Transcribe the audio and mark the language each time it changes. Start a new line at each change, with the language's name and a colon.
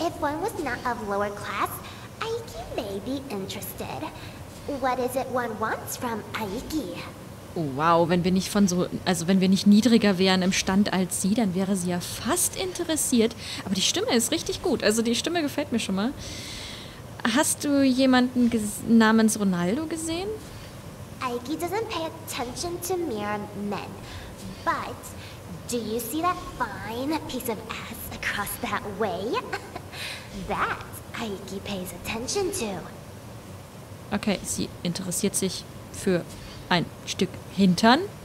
English: If one was not of lower class, Aiki may be interested. What is it one wants from Aiki?
German: Oh wow, wenn wir nicht von so, also wenn wir nicht niedriger wären im Stand als sie, dann wäre sie ja fast interessiert. Aber die Stimme ist richtig gut, also die Stimme gefällt mir schon mal. Hast du jemanden namens Ronaldo gesehen?
English: Aiki doesn't pay attention to mere men, but do you see that fine piece of ass across that way? That Aiki pays attention to.
German: Okay, sie interessiert sich für ein Stück Hintern?